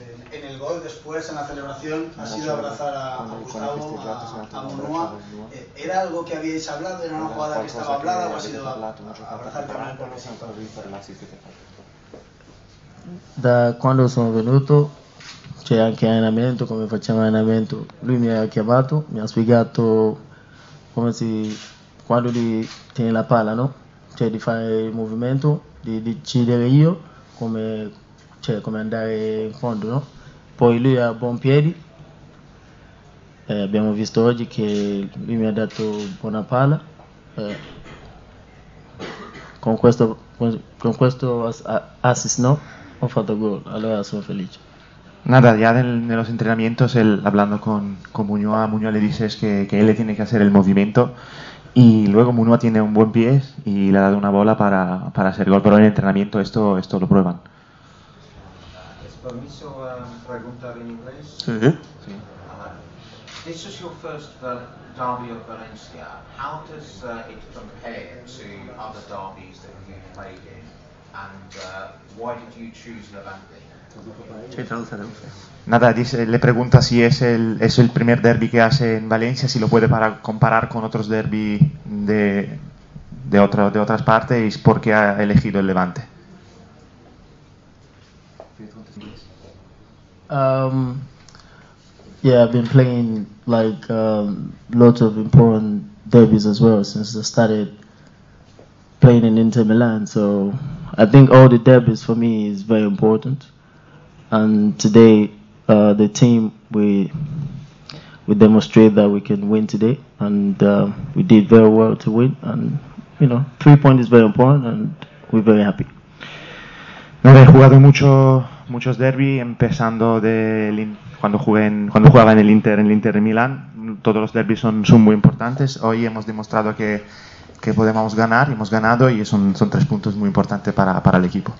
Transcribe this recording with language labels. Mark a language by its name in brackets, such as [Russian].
[Spanish] En el gol después, en la celebración, ha sido abrazar a Gustavo, a Monoa. ¿Era algo que habíais hablado? ¿Era una jugada que estaba hablada o ha sido abrazar a [Italian] da quando sono venuto c'è anche allenamento, come facciamo allenamento, lui mi ha chiamato, mi ha spiegato come si quando di tiene la palla, no, cioè di fare il movimento, di decidere io come, cioè, come andare in fondo, no? Poi lui ha buon piedi, abbiamo visto oggi che lui mi ha dato buona palla, con questo assist, no, ho fatto gol, allora sono felice. [Spanish] Nada, ya nello entrenamientos, hablando con Muñoa le dices que él le tiene que hacer el movimiento, y luego Muñoa tiene un buen pie y le ha dado una bola para hacer gol, pero en el entrenamiento esto lo prueban. ¿Es permiso preguntar en inglés? Sí. [English] This is your first derby of Valencia. How does it compare to other derbies that you've played in? And why did you choose Levante? [Spanish] Nada, dice, le pregunta si es el primer derbi que hace en Valencia, si lo puede comparar con otros derbi de otras partes, y por qué ha elegido el Levante. [English] Yeah, I've been playing like lots of important derbies as well since I started playing in Inter Milan, so I think all the derbies for me is very important, and today the team we demonstrate that we can win today, and we did very well to win, and you know, 3 points is very important, and we're very happy. [Spanish] No, he jugado muchos derbis, empezando cuando jugaba en el Inter de Milán. Todos los derbis son muy importantes. Hoy hemos demostrado que podemos ganar, hemos ganado, y son 3 puntos muy importantes para el equipo.